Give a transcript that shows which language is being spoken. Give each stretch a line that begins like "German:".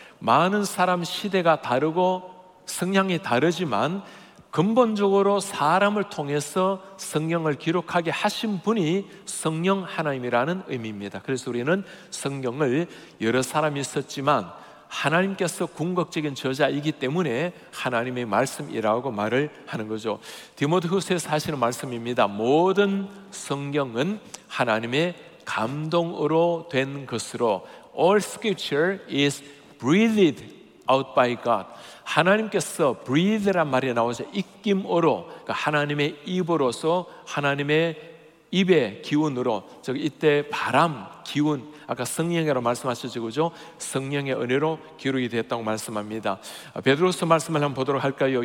Korean: 많은 사람 시대가 다르고 성향이 다르지만 근본적으로 사람을 통해서 성경을 기록하게 하신 분이 성령 하나님이라는 의미입니다. 그래서 우리는 성경을 여러 사람이 썼지만 하나님께서 궁극적인 저자이기 때문에 하나님의 말씀이라고 말을 하는 거죠. 디모데후서에서 하시는 말씀입니다. 모든 성경은 하나님의 감동으로 된 것으로
English: All scripture is breathed out by God.
Korean: 하나님께서 breathe란 말이 나오죠. 입김으로, 그러니까 하나님의 입으로서 하나님의 입의 기운으로, 즉 이때 바람, 기운, 아까 성령이라고 말씀하셨죠, 그죠? 성령의 은혜로 기록이 되었다고 말씀합니다. 베드로서 말씀을 한번 보도록 할까요?